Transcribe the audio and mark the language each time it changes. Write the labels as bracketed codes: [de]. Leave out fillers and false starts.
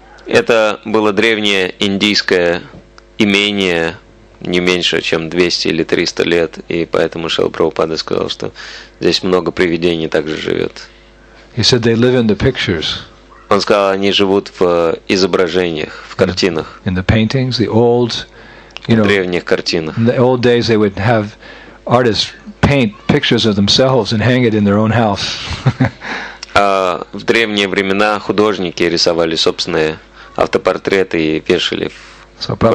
[ru] Это было древнее индийское имение, не меньше, чем 200 или 300 лет, и поэтому Шрила Прабхупада сказал, что здесь много привидений также живет. [en] He said they live in the pictures. [ru] Он сказал, они живут в изображениях, в картинах. [en] In the paintings, the old, you know, [ru] в древних картинах. [en] In the old days they would have artists paint pictures of themselves and hang it in their own house. [ru] В древние времена художники рисовали собственные автопортреты и вешали в